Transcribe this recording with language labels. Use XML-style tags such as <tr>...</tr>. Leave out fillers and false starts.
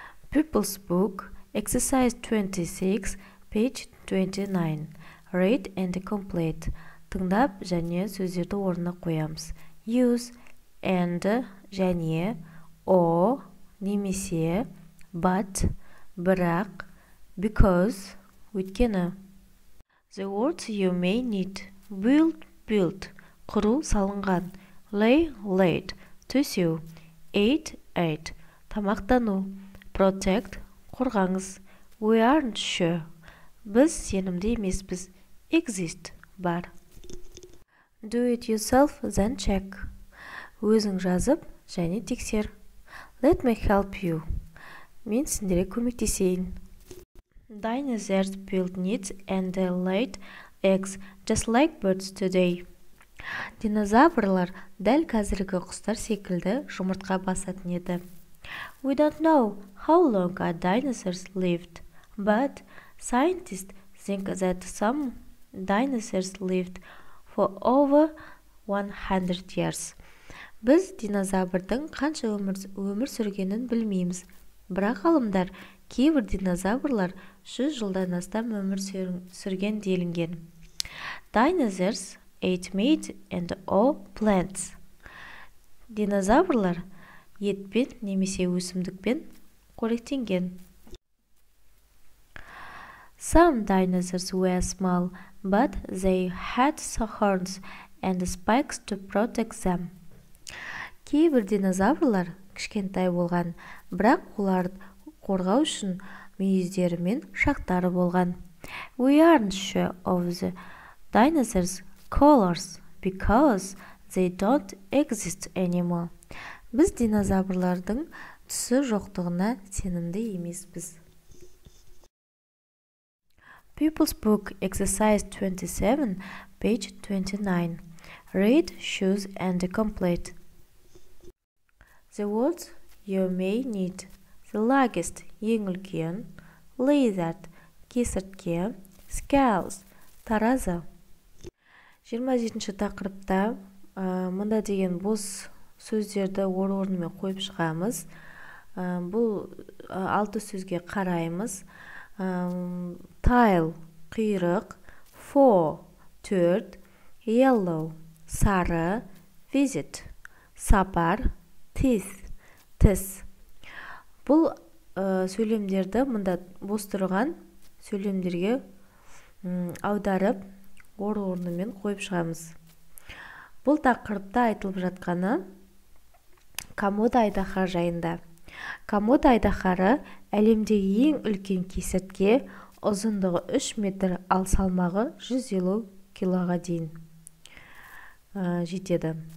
<en>Pupil's book, exercise 26, page 29. Read and complete.</en> <kk>Тыңдап және сөздерді орнына қоямыз.</kk> <en>Use and және or немесе but бірақ because өйткені. The words you may need: build, built, құру, салынған; lay, laid, төсеу; eat, ate, тамақтану; protect, қорғаңыз; we aren't sure,</en> <kk>біз сенімді емеспіз;</kk> <en>exist, бар. Do it yourself, then check.</en> <kk>Өзің жазып және тексер.</kk> <en>Let me help you.</en> <kk>Мен сендерге көмектесейін.</kk> <en>Dinosaurs build nests and laid eggs just like birds today.</en> <kk>Динозаврлар дәл қазіргі құстар секілді жұмыртқа басатын еді.</kk> <en>We don't know how long our dinosaurs lived, but scientists think that some dinosaurs lived for over 100 years.</en> <kk>Біз динозаврдың қанша өмір сүргенін білмейміз, бірақ ғалымдар кейбір динозаврлар 100 жылдан астам өмір сүрген делінген.</kk> <en>Dinosaurs ate meat and all plants.</en> <kk>Динозаврлар етпен немесе өсімдікпен қоректенген.</kk> <en>Some dinosaurs were small, but they had horns and spikes to protect them.</en> <kk>Кейбір динозаврлар кішкентай болған, бірақ оларды қорғау үшін мүйіздері мен шақтары болған.</kk> <en>We aren't sure of the dinosaurs' colors because they don't exist anymore.</en> <kk>Біз динозаврлардың түсі жоқтығына сенімді емеспіз.</kk> <en>Pupil's book, exercise 27, page 29. Read, choose, and complete. The words you may need: the largest, ең үлкен; lizard, кесіртке; scales, таразы.</en> <kk>27-ші тақырыпта мында деген бос сөздерді орын-орнымен қойып шығамыз. Бұл алты сөзге қараймыз.</kk> <en>Tail, құйрық; four, 4; yellow, сары; visit, сапар; teeth, тіс.</en> <kk>Бұл сөйлемдерді мында бос тұрған сөйлемдерге аударып орын-орнымен қойып шығамыз. Бұл тақырыпта айтылып жатқаны Комодо айдаһар жайында. Комод айдахары әлемдегі ең үлкен кесіртке, ұзындығы 3 метр, ал салмағы 150 килоға дейін жетеді.</kk>